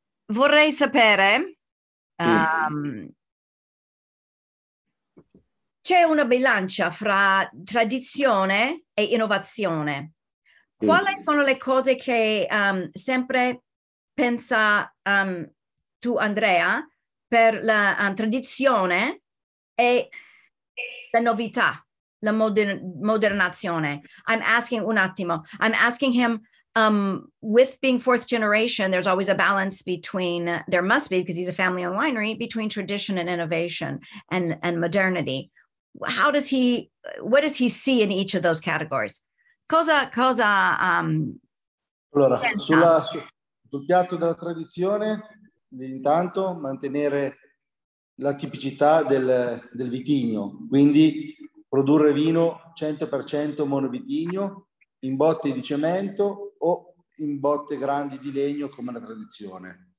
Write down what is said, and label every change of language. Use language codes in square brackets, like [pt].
[it] Vorrei sapere, c'è una bilancia fra tradizione e innovazione. Quali sono le cose che sempre pensa tu Andrea per la tradizione e la novità, la modernazione. [en] I'm asking [it] un attimo. [en] I'm asking him with being fourth generation, there's always a balance between, there must be, because he's a family-owned winery, between tradition and innovation and modernity. How does he, what does he see in each of those categories? [it] Allora, sul piatto della tradizione, intanto mantenere la tipicità del vitigno, quindi produrre vino 100% monovitigno in botte di cemento o in botte grandi di legno come la tradizione.